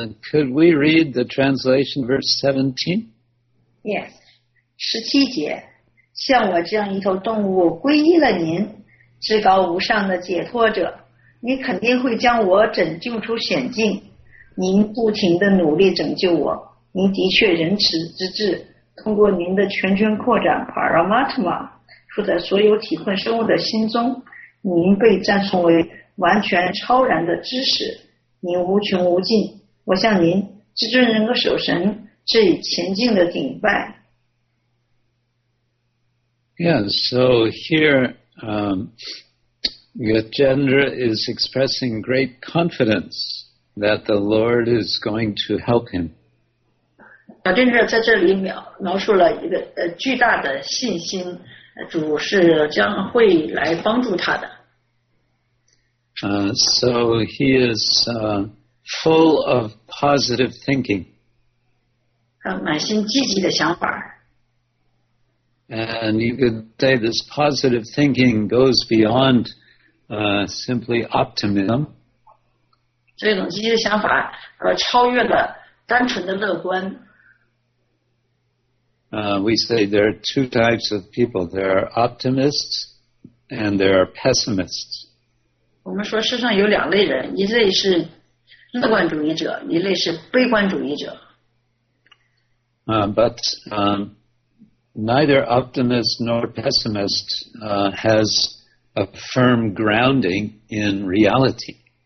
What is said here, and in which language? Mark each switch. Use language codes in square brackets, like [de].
[en] Could we read the translation verse 17? [zh] Yes, 十七节，像我这样一头动物皈依了您，至高无上的解脱者，你肯定会将我拯救出险境。您不停地努力拯救我，您的确仁慈之至。通过您的全权扩展 Paramatma 住在所有体困生物的心中，您被赞颂为完全超然的知识。您无穷无尽，我向您至尊人格守神致以前进的顶拜。 [en] Yeah, so here, Gajendra is expressing great confidence that the Lord is going to help him. [zh] Gajendra 在这里描述了一个巨大的信心，主是将会来帮助他的。 [en] So he is full of positive thinking. [zh] 满心积极的想法。 [en] And you could say this positive thinking goes beyond simply optimism. [zh] 这种积极的想法超越了单纯的乐观。 [en] We say there are two types of people. There are optimists and there are pessimists. [zh] 我们说世上有两类人，一类是乐观主义者，一类是悲观主义者。 [en] But neither optimist nor pessimist has a firm grounding in reality.